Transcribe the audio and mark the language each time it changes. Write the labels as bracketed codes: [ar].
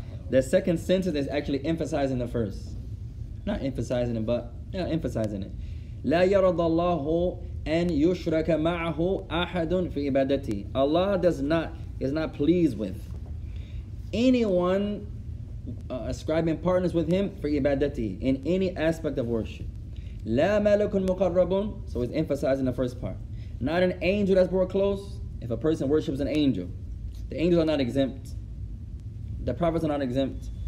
[en] The second sentence is actually emphasizing the first. Not emphasizing it, but yeah, emphasizing it. [ar] لا يرضى الله أن يشرك معه أحد في عبادتي. [en] Allah is not pleased with anyone ascribing partners with him for عبادتي in any aspect of worship. [ar] لا ملك مقرب. [en] So it's emphasizing the first part. Not an angel that's brought close. If a person worships an angel, the angels are not exempt. The prophets are not exempt.